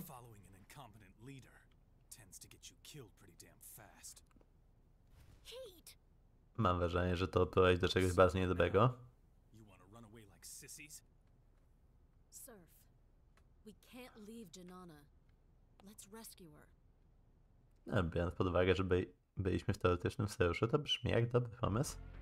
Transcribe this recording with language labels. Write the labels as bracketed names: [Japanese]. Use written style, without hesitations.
[English] Following an incompetent leader tends to get you killed pretty damn fast. Hate. [Polish] Mam wrażenie, że to prowadzi do czegoś bardzo niedobrego. [English] You want to run away like sissies? Surf, we can't leave Janana. Let's rescue her. [Polish] No, biorąc pod uwagę, żeby... Byliśmy w teoretycznym sojuszu, to brzmi jak dobry pomysł.